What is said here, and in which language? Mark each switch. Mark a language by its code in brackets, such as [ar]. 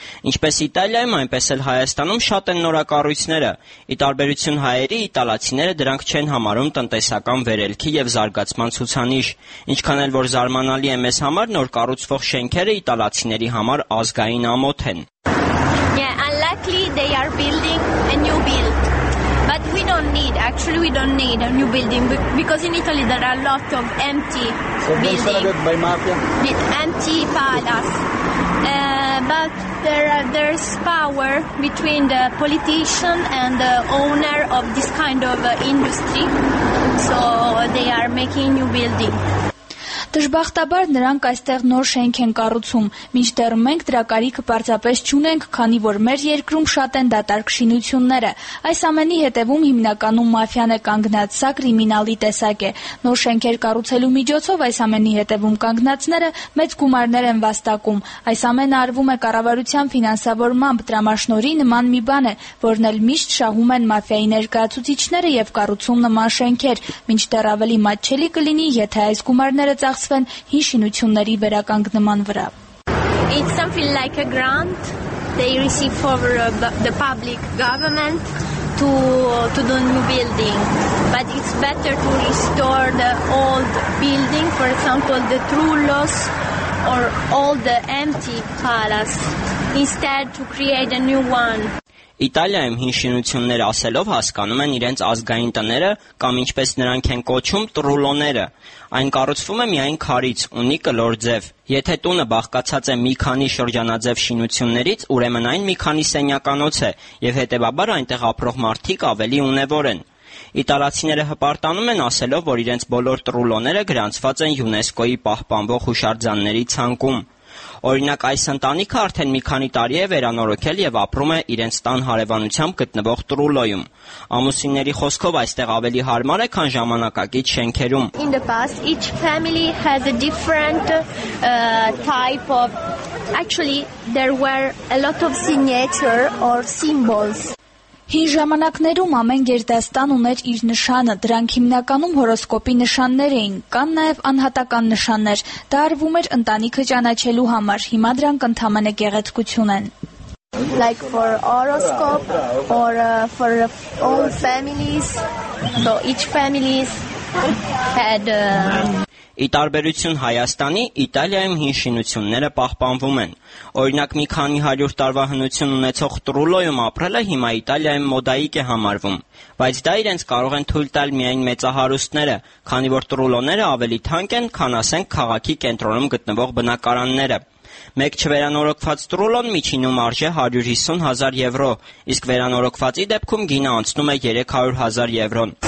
[hy] Ինչպես Իտալիայում, այնպես էլ Հայաստանում շատ են նորակառույցները։ Ի տարբերություն հայերի, իտալացիները դրանք չեն համարում տնտեսական վերելքի և զարգացման ցուցանիշ, ինչքան էլ որ զարմանալի է մեզ համար, նոր կառուցվող շենքերը իտալացիների համար ազգային ամոթ են։ [en] Yeah, unluckily they are building a new build. But we don't need, actually we don't need a new building because in Italy there are a lot of empty buildings. So surrounded by mafia. With empty palaces. But there's power between the politician and the owner of this kind of industry. So they are making new building. [hy] Դժբախտաբար նրանք այստեղ նոր շենք են կառուցում, մինչդեռ մենք դրա կարիքը պարզապես չունենք, քանի որ մեր երկրում շատ են դատարկ շինությունները։ Այս ամենի հետևում հիմնականում մաֆիան է կանգնած, սա կրիմինալի տեսակ է։ Նոր շենքեր կառուցելու միջոցով այս ամենի հետևում կանգնածները մեծ գումարներ են վաստակում։ Այս ամենը արվում է կառավարության ֆինանսավորմամբ, դրամաշնորի նման մի բան է, որն էլ միշտ շահում են մաֆիայի ներկայացուցիչները և կառուցում նման շենքեր, մինչդեռ ավելի մատչելի կլինի, եթե այս գումարները ծախսվեն հին շինությունների վերականգնման վրա։ [en] It's something like a grant they receive from the public government to do new building, but it's better to restore the old building, for example the Trullos or all the empty palace instead to create a new one. [hy] Իտալիայում հինշինություններ ասելով հասկանում են իրենց ազգային տները կամ ինչպես նրանք են կոչում տրուլոները։ Այն կառուցվում է միայն քարից, ունի կլոր ձև։ Եթե տունը բաղկացած է մի քանի շրջանաձև շինություններից, ուրեմն այն մի քանի սենյականոց է, եւ հետեւաբար այնտեղ ապրող մարդիկ ավելի ունևոր են։ Իտալացիները հպարտանում են ասելով, որ իրենց բոլոր տրուլոները գրանցված են ՅՈՒՆԵՍԿՕ-ի պահպանվող հուշարձանների ցանկում։ Օրինակ այս ընտանիքը արդեն մի քանի տարի է վերանորոգել եւ ապրում է իրենց տան հարևանությամբ գտնվող Տրուլոյում։ Ամուսինների խոսքով այստեղ ավելի հարմար է, քան ժամանակակից շենքերում։ [en] In the past each family has a different type of actually there were a lot of signature or symbols. [hy] Հին ժամանակներում ամեն գերդաստան ուներ իր նշանը, դրանք հիմնականում հորոսկոպի նշաններ էին, կան նաև անհատական նշաններ, դա արվում էր ընտանիքը ճանաչելու համար, հիմա դրանք ընդհանրապես գեղեցկություն են. [en] Like for horoscope or for all families, so each family had... [hy] Ի տարբերություն Հայաստանի, Իտալիայում հին շինությունները պահպանվում են։ Օրինակ, մի քանի 100 տարվա հնություն ունեցող Տրուլոյում ապրելը հիմա Իտալիայում մոդայիկ է համարվում, բայց դա իրենց կարող են թույլ տալ միայն մեծահարուստները, քանի որ Տրուլոները ավելի թանկ են, քան ասենք քաղաքի կենտրոնում գտնվող բնակարանները։ Մեկ չվերանորոգված Տրուլոն միջինում արժե 150 000 եվրո, իսկ վերանորոգվածի դեպքում գինը անցնում է 300 000 եվրոն։